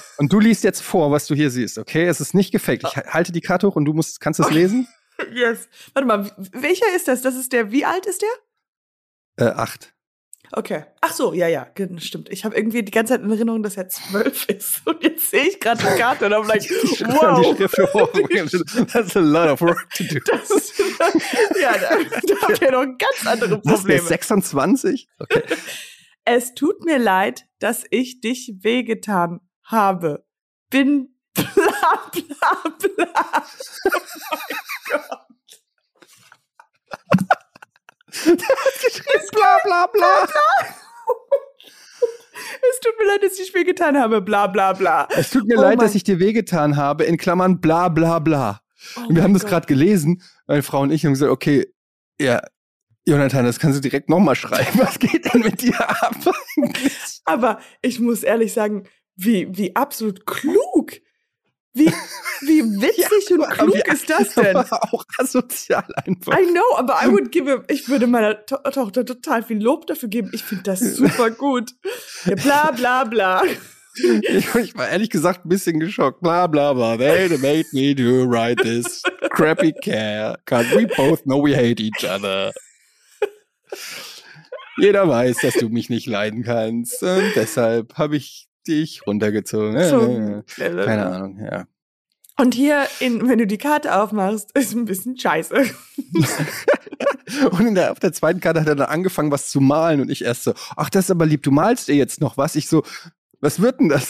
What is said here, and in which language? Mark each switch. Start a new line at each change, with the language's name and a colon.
German: Und du liest jetzt vor, was du hier siehst, okay? Es ist nicht gefaked. Ich halte die Karte hoch und kannst es lesen?
English: Yes.
German: Warte mal, welcher ist das? Das ist der, wie alt ist der? 8. Okay. Ach so, ja, stimmt. Ich habe irgendwie die ganze Zeit in Erinnerung, dass er 12 ist. Und jetzt sehe ich gerade die Karte und dann bin ich, wow. Die Schrift
English: that's a lot of work to do.
German: Das ist, ja, da habt ihr noch ganz andere Probleme. Was, der 26? Okay. Es tut mir leid, dass ich dich wehgetan habe. Bin bla bla bla. Bla, bla, bla. Es tut mir leid, dass ich wehgetan habe, bla, bla, bla. Es tut mir leid, dass ich dir wehgetan habe, in Klammern, bla, bla, bla. Oh, und wir haben Gott. Das gerade gelesen, meine Frau und ich, und gesagt, okay, ja, Jonathan, das kannst du direkt nochmal schreiben. Was geht denn mit dir ab? Aber ich muss ehrlich sagen, wie absolut klug. Wie witzig und klug ist das denn? Auch asozial einfach.
English: I know,
German: aber ich würde meiner Tochter total viel Lob dafür geben. Ich finde das super gut. Ja, bla, bla, bla. Ich war ehrlich gesagt ein bisschen geschockt. Bla, bla, bla.
English: They made me do write this crappy care. Because we both know we hate each other.
German: Jeder weiß, dass du mich nicht leiden kannst. Und deshalb habe ich dich runtergezogen. So, keine Ahnung, ja. Und hier, wenn du die Karte aufmachst, ist ein bisschen scheiße. Und in der, auf der zweiten Karte hat er dann angefangen, was zu malen. Und ich erst so, ach, das ist aber lieb, du malst dir jetzt noch was. Ich so, was wird denn das?